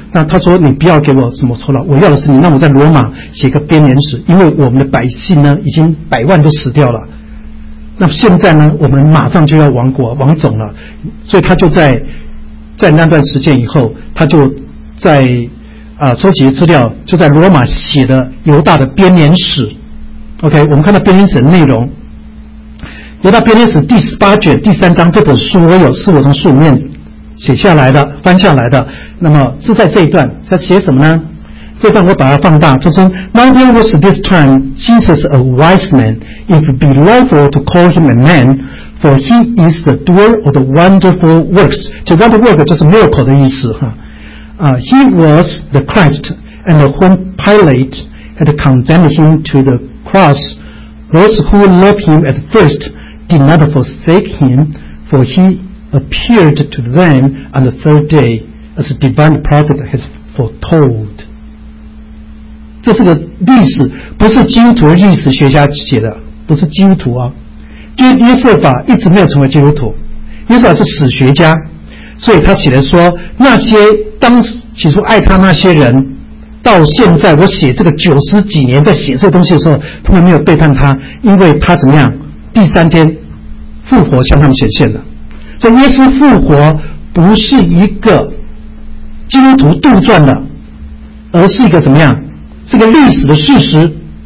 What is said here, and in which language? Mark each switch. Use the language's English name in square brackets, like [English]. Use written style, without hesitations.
[Chinese] 那他说你不要给我什么酬劳，我要的是你，那我在罗马写个编年史，因为我们的百姓呢已经百万都死掉了，那现在呢我们马上就要亡国亡种了。所以他就在那段时间以后，他就在收集资料，就在罗马写的犹大的编年史。 OK， 我们看到编年史的内容，犹大编年史第十八卷第三章，这本书我有，是我从书里面写下来的翻下来的，那么是在这一段他写什么呢？这段我把它放大，就是 [English] Not only was this time Jesus a wise man, if it be lawful to call him a man, for he is the doer of the wonderful works. [Chinese] 就 wonderful work 就是 miracle 的意思哈。 [English] He was the Christ, and when Pilate had condemned him to the cross, those who loved him at first did not forsake him, for he appeared to them on the third day, as the divine prophet has foretold. [Chinese] 这是个历史，不是基督徒历史学家写的，不是基督徒啊。约瑟法一直没有成为基督徒，约瑟法是史学家，所以他写的说，那些当时起初爱他那些人，到现在我写这个九十几年在写这个东西的时候，他们没有背叛他，因为他怎么样，第三天复活向他们显现了。所以耶稣复活不是一个基督徒杜撰的，而是一个怎么样，是一个历史的事实。